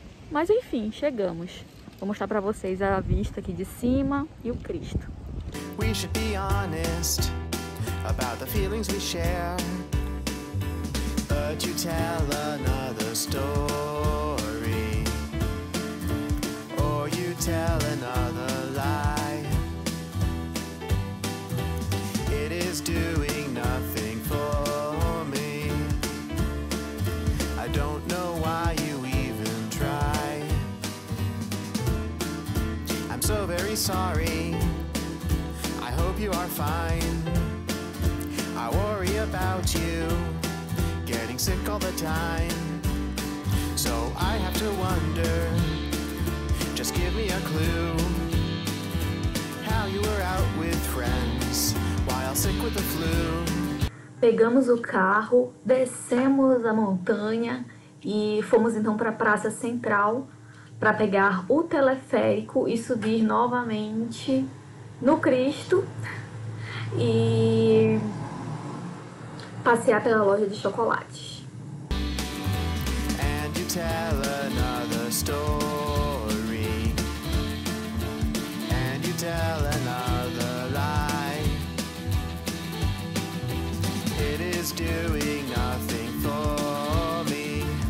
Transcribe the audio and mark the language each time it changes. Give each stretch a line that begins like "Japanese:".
Portuguese: Mas enfim, chegamos. Vou mostrar pra vocês a vista aqui de cima e o Cristo.
English: We should be honest about the feelings we share. But you tell another story. Or you tell another lie. It is doing nothing for me. I don't know why you even try. I'm so very sorry. I hope you are fine. I worry about you. Getting sick all the time. So I have to wonder. Just give me a clue. How you were out with friends while sick with the flu.
Portuguese: Pegamos o carro, descemos a montanha e fomos então para a Praça Central para pegar o teleférico e subir novamente no Cristo e passear pela loja de chocolates.
English: And you tell another story. And you tell another lie. It is doing nothing for me.